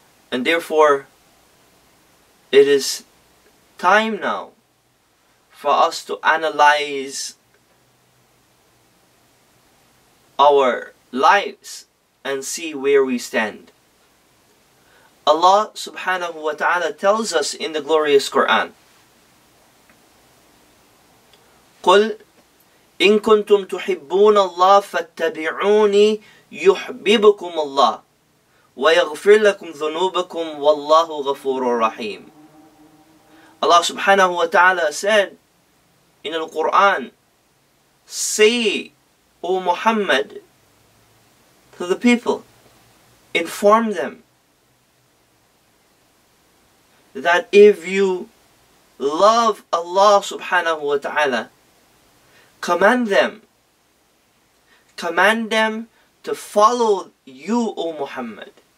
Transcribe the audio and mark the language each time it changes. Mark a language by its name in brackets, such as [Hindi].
[English] And therefore, it is time now for us to analyze our lives and see where we stand. Allah subhanahu wa ta'ala tells us in the glorious Quran, [Arabic] قُلْ إِن كُنْتُمْ تُحِبُّونَ اللَّهَ فَاتَّبِعُونِي يُحْبِبُكُمُ اللَّهُ وَيَغْفِرْ لَكُمْ ذُنُوبَكُمْ وَاللَّهُ غَفُورٌ رَحِيمٌ. [English] Allah subhanahu wa ta'ala said in the Quran, say, O Muhammad, to the people, inform them that if you love Allah subhanahu wa ta'ala, command them to follow you, O Muhammad.